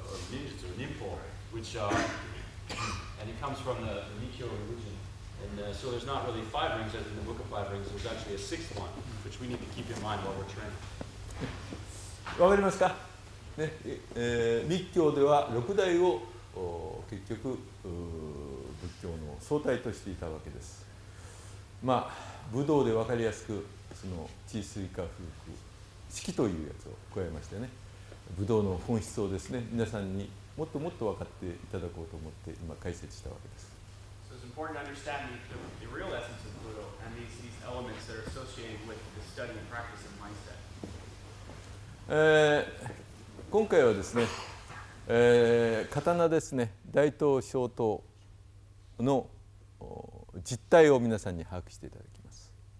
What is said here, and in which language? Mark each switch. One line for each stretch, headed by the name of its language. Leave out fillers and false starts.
English: ninjutsu, ninpo, which and it comes from the Nikkyo religion. And so there's not really five rings as in the Book of Five Rings. There's actually a sixth one, which we need to keep in mind while we're training.
Japanese: わかりますか、ね。密教では六大を結局仏教の総体としていたわけです。まあ武道でわかりやすくその地水火風空式というやつを加えましてね、武道の本質をですね、皆さんにもっともっと分かっていただこうと思って今解説したわけです。
English: So it's important to understand the real essence of Budo and these elements that are associated with the study and practice of mindset.
Japanese: 今回はですね、刀ですね、大刀小刀の実態を皆さんに把握していただきます。